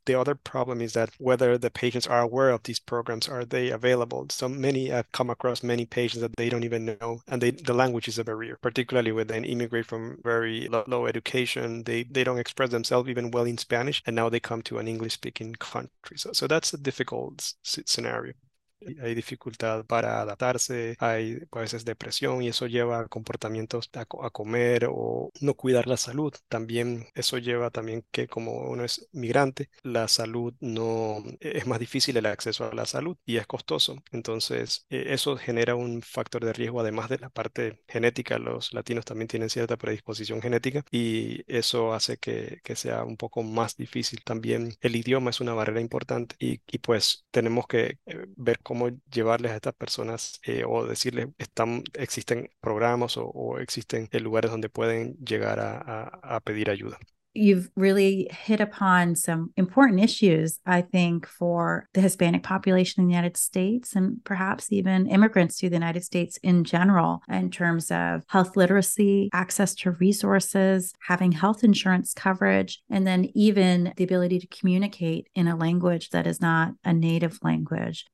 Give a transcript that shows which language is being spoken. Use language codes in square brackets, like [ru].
[en] The other problem is that whether the patients are aware of these programs, are they available? So many, I've come across many patients that they don't even know. And the language is a barrier, particularly when they immigrate from very low education. They don't express themselves even well in Spanish. And now they come to an English-speaking country. So that's a difficult scenario. [es] Hay dificultad para adaptarse, hay a veces depresión y eso lleva a comportamientos a comer o no cuidar la salud. También eso lleva también que como uno es migrante, la salud no es más difícil el acceso a la salud y es costoso. Entonces eso genera un factor de riesgo además de la parte genética. Los latinos también tienen cierta predisposición genética y eso hace que sea un poco más difícil. También el idioma es una barrera importante y pues tenemos que ver cómo llevarles a estas personas o decirles existen programas o existen lugares donde pueden llegar a pedir ayuda. [en] You've really hit upon some important issues, I think, for the Hispanic population in the United States and perhaps even immigrants to the United States in general, in terms of health literacy, access to resources, having health insurance coverage, and then even the ability to communicate in a language that is not a native language.